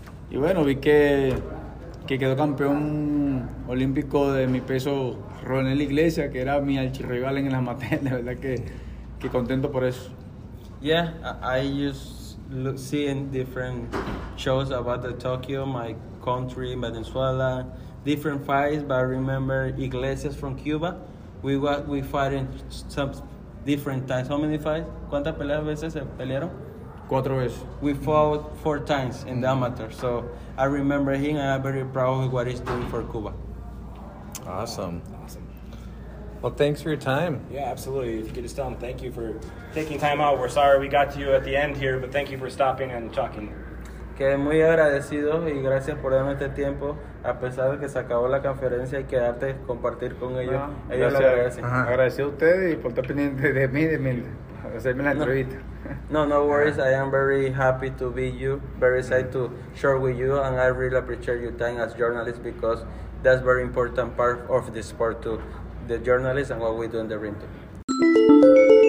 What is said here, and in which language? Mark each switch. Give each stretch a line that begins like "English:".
Spanish: Y bueno, vi que quedó campeón olímpico de mi peso Ronel Iglesias, que era mi archirrival en la Amatel. De verdad que contento por eso.
English: Yeah, I seeing different shows about the Tokyo, my country, Venezuela, different fights, but I remember Iglesias from Cuba. We fought in some different times. How many fights?
Spanish: ¿Cuántas peleas veces se pelearon? Cuatro veces.
English: We fought four times in the amateur. So I remember him and I'm very proud of what he's doing for Cuba. Awesome. Well, thanks for your time. Yeah, absolutely. If you could just tell him thank you for taking time out. We're sorry we got to you at the end here, but thank you for stopping and talking.
Spanish: Que muy agradecido y gracias por darme este tiempo. A pesar de que se acabó la conferencia y quedarte compartir con ellos. No, ellos gracias. Lo agradecen. Uh-huh. Agradecido a ustedes y por estar pendiente de mí, de hacerme la entrevista.
English: No worries. Uh-huh. I am very happy to be you. Very excited to share with you. And I really appreciate your time as journalist because that's very important part of the sport too. The journalists and what we do in the ring too.